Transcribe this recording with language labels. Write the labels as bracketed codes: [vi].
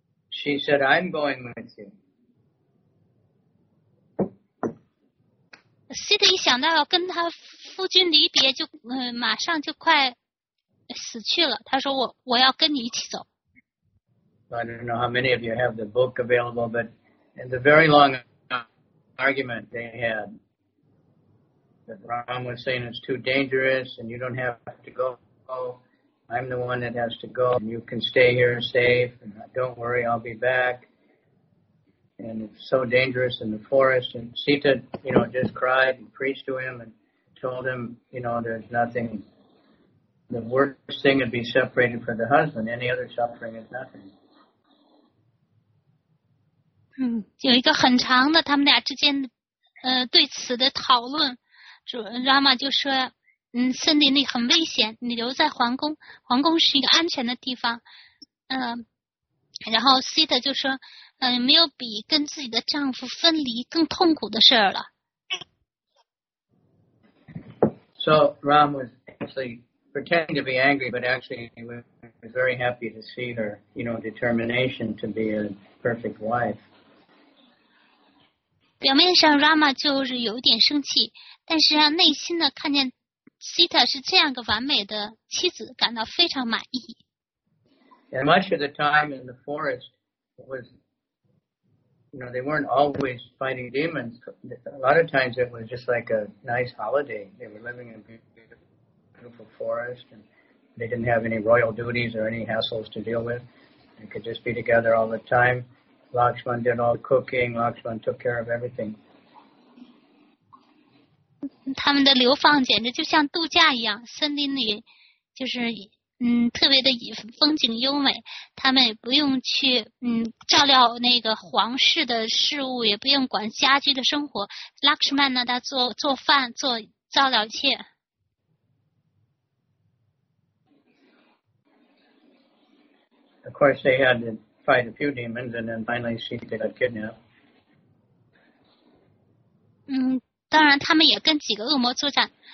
[en] she said, "I'm going with you." [zh] Sita 一想到跟他夫君离别，就马上就快。死去了，他说我要跟你一起走。 [en] I don't know how many of you have the book available, but in the very long argument they had, that Ram was saying it's too dangerous and you don't have to go. I'm the one that has to go. And you can stay here safe. And don't worry, I'll be back. And it's so dangerous in the forest. And Sita, you know, just cried and preached to him and told him, you know, there's nothing. The worst thing would be separated from the husband. Any other suffering is nothing. [zh] 有一个很长的他们俩之间对此的讨论。 Rama 就说森林里很危险，你留在皇宫，皇宫是一个安全的地方。然后 Sita 就说没有比跟自己的丈夫分离更痛苦的事了。 [en] So Ram was actually... pretending to be angry, but actually he was very happy to see her, you know, determination to be a perfect wife. [zh] 表面上 Rama 就是有点生气，但是他内心呢，看见 Sita 是这样个完美的妻子，感到非常满意。 [en] And much of the time in the forest was, you know, they weren't always fighting demons. A lot of times it was just like a nice holiday. They were living in beautiful forest and they didn't have any royal duties or any hassles to deal with. They could just be together all the time. Lakshman did all the cooking. Lakshman took care of everything. [zh] 他们的流放简直就像度假一样，森林里就是特别的风景优美，他们也不用去照料那个皇室的事物，也不用管家居的生活。 Lakshman 呢，他做饭，做照料一切。 [en] Of course, they had to fight a few demons, and then finally, Sita got kidnapped. [zh] 当然，他们也跟几个恶魔作战。